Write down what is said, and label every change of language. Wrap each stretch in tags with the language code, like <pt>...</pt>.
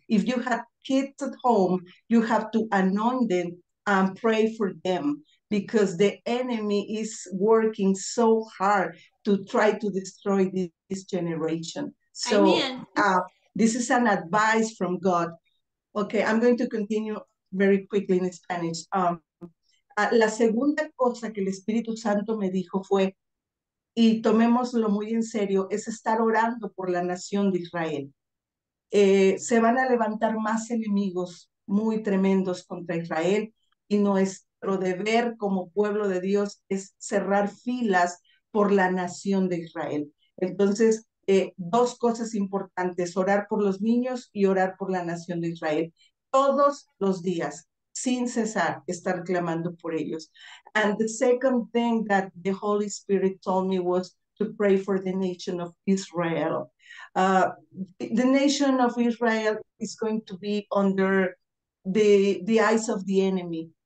<en>If you have kids at home, you have to anoint them and pray for them because the enemy is working so hard to try to destroy this generation. So this is an advice from God. Okay, I'm going to continue very quickly in Spanish.</en> <es>La segunda cosa que el Espíritu Santo me dijo fue, y tomémoslo muy en serio, es estar orando por la nación de Israel. Se van a levantar más enemigos muy tremendos contra Israel y nuestro deber como pueblo de Dios es cerrar filas por la nación de Israel. Entonces, dos cosas importantes, orar por los niños y orar por la nación de Israel. Todos los días. Sin cesar, estar clamando por ellos.</es> <en>And the second thing that the Holy Spirit told me was to pray for the nation of Israel. The nation of Israel is going to be under the eyes of the enemy.</en>